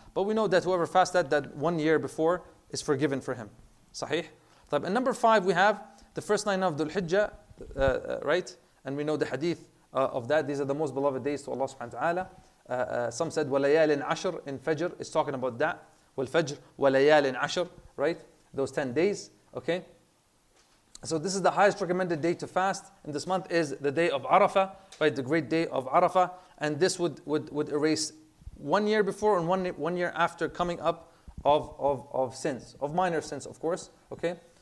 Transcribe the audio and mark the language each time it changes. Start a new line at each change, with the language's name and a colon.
English: But we know that whoever fasted that 1 year before is forgiven for him. Sahih. طبعاً, and number five, we have the first 9 of Dhul Hijjah, right? And we know the hadith of that. These are the most beloved days to Allah subhanahu wa ta'ala. Some said,
Arabic: وَلَيَالٍ عَشْرٍ
English: in Fajr is talking about that.
Arabic: وَالْفَجْرِ وَلَيَالٍ عَشْرٍ, right?
English: Those 10 days, okay? So this is the highest recommended day to fast in this month is the day of Arafah, right? The great day of Arafah. And this would erase 1 year before and one year after coming up of sins, of minor sins, of course, okay?